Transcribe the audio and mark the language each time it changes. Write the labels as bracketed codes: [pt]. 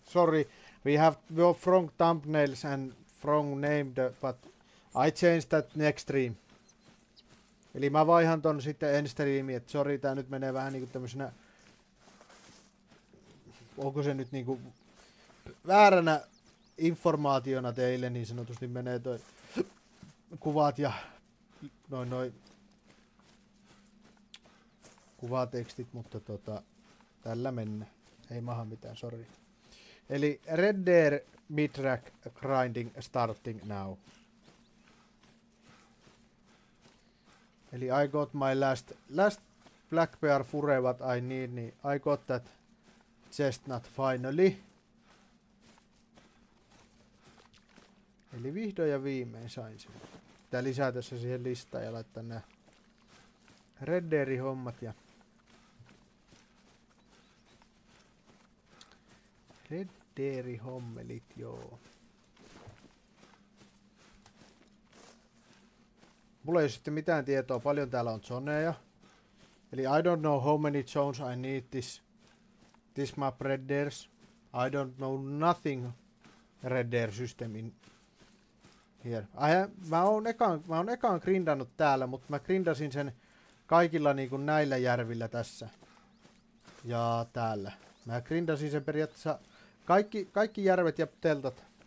[en] Sorry, we have wrong thumbnails and wrong name, but I changed that next stream. [fi] Eli mä vaihan ton sitten ensi striimiin, että sorry, tää nyt menee vähän niinku tämmösenä... Onko se nyt niinku vääränä informaationa teille, niin sanotusti menee toi kuvat ja noin kuvatekstit, mutta tota, tällä mennä. Ei maha mitään, [en] sorry. Eli Red Deere Midrack Grinding Starting Now. Eli I got my last black bear fure, what I need, niin I got that chestnut finally. [fi] Eli vihdoin ja viimein sain sen. Pitää lisää tässä siihen listaan ja laittaa nää Red Deere hommat ja Red Deere hommelit, joo. Mulla ei ole sitten mitään tietoa, paljon täällä on zoneja. [en] Eli I don't know how many zones I need this map Red Deere. I don't know nothing Red Deere system in here. [fi] Mä oon ekaan grindannut täällä, mutta mä grindasin sen kaikilla niinku näillä järvillä tässä. Ja täällä. Mä grindasin sen periaatteessa kaikki järvet ja teltat.